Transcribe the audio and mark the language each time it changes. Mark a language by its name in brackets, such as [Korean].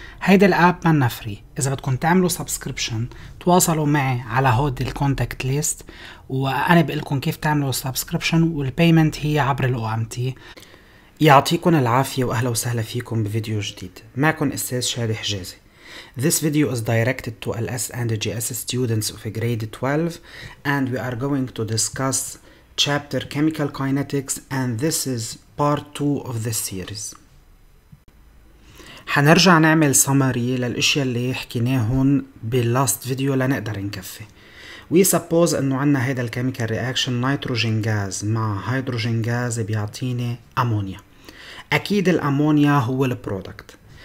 [Arabic] هيدا الأب منا فري، إذا بدكن تعملوا سبسكريبشن تواصلوا معي على هود الكونتاكت ليست وأنا بقلكن كيف تعملوا سبسكريبشن والبايمنت هي عبر الأوامتي. يعطيكن العافية وأهلا وسهلا فيكم بفيديو جديد، معكن أستاذ شادي حجازي. [English] This video is directed to LS and GS students of grade 12 and we are going to discuss chapter chemical kinetics and this is part 2 of the series. [Arabic] حنرجع نعمل summary للاشياء اللي حكيناهن باللاست فيديو لنقدر نكفي. [English] We suppose [Arabic] انه عندنا هيدا الكيميكال رياكشن نيتروجين غاز مع هيدروجين غاز بيعطيني امونيا. اكيد الامونيا هو البرودكت.